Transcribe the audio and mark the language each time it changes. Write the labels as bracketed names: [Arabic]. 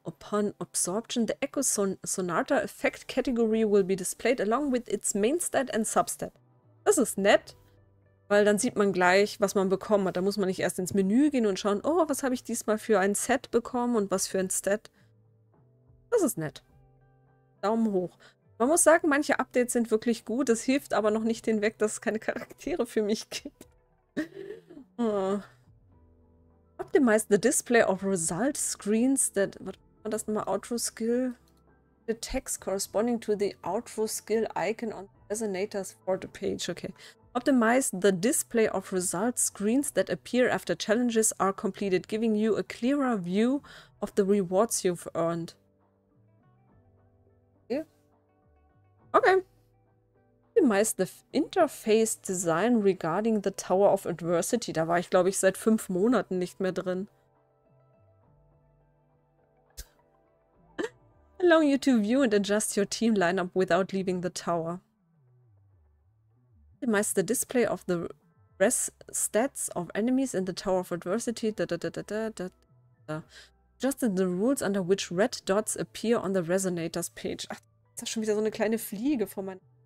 [English] Upon absorption, the echo sonata effect category will be displayed along with its main stat and substat. [German] Das ist nett, weil dann sieht man gleich, was man bekommen hat. Da muss man nicht erst ins Menü gehen und schauen, oh, was habe ich diesmal für ein Set bekommen und was für ein Stat. Das ist nett. Daumen hoch. Man muss sagen, manche Updates sind wirklich gut. Das hilft aber noch nicht hinweg, dass es keine Charaktere für mich gibt. [English] Oh. Optimize the display of result screens that. [German] Was war das nochmal? [English] Outro Skill. The text corresponding to the Outro Skill icon on Resonator's for the page. Okay. Optimize the display of result screens that appear after challenges are completed, giving you a clearer view of the rewards you've earned. Okay. Optimize the interface design regarding the Tower of Adversity. [German] Da war ich, glaube ich, seit 5 Monaten nicht mehr drin. [English] Allow you to view and adjust your team lineup without leaving the tower. Optimize the display of the res stats of enemies in the Tower of Adversity. Adjust the rules under which red dots appear on the Resonator's page. [German] Ach, da ist schon wieder so eine kleine Fliege vor meinem.